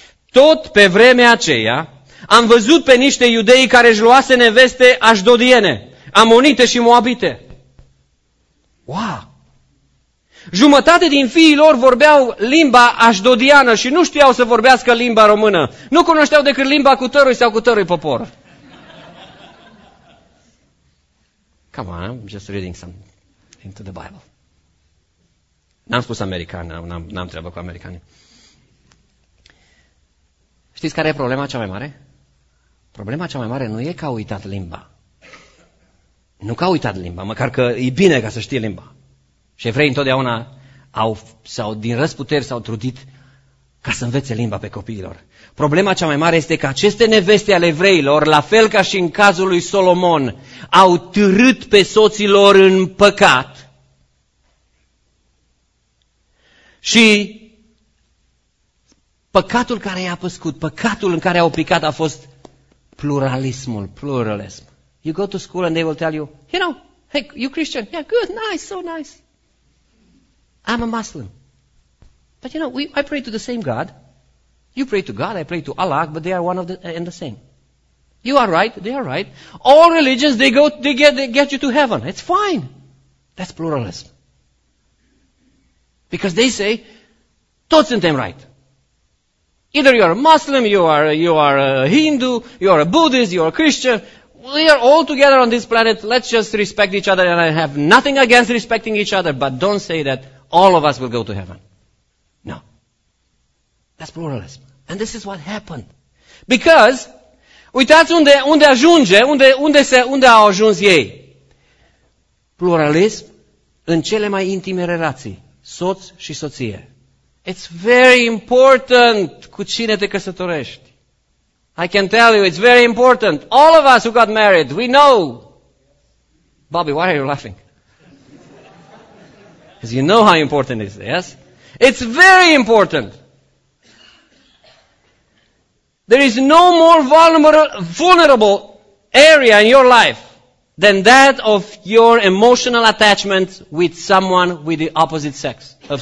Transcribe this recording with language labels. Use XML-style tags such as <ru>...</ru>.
<ro>Tot pe vremea aceea am văzut pe niște iudei care își luase neveste așdodiene, amonite și moabite. Wow! Jumătate din fiii lor vorbeau limba așdodiană și nu știau să vorbească limba română. Nu cunoșteau decât limba cutărui sau cutărui popor.</ro> <en>Come on, I'm just reading some into the Bible.</en> <ro>N-am spus american, n-am treabă cu americanii. Știți care e problema cea mai mare? Problema cea mai mare nu e că au uitat limba. Nu că au uitat limba, măcar că e bine ca să știe limba. Și evreii întotdeauna s-au din răzputeri s-au trudit ca să învețe limba pe copiilor. Problema cea mai mare este că aceste neveste ale evreilor, la fel ca și în cazul lui Solomon, au târât pe soții lor în păcat și păcatul care i-a păscut, păcatul în care au picat a fost pluralismul, pluralism.</ro> <en>You go to school and they will tell you, you know, hey, you Christian, yeah, good, nice, so nice. I'm a Muslim. But you know, I pray to the same God. You pray to God, I pray to Allah, but they are one of the and the same. You are right, they are right. All religions, they get you to heaven. It's fine. That's pluralism. Because they say,</en> <ro>toți suntem</ro> <en>right. Either you are a Muslim, you are a Hindu, you are a Buddhist, you are a Christian. We are all together on this planet. Let's just respect each other. And I have nothing against respecting each other. But don't say that all of us will go to heaven. No. That's pluralism. And this is what happened.</en> <ro>Because, uitați unde ajunge, unde au ajuns ei. Pluralism în cele mai intime relații, soț și soție.</ro> <en>It's very important</en> <ro>cu cine te căsătorești.</ro> <en>I can tell you, it's very important. All of us who got married, we know. Bobby, why are you laughing? Because you know how important it is, yes? It's very important. There is no more vulnerable area in your life than that of your emotional attachment with someone with the opposite sex.</en>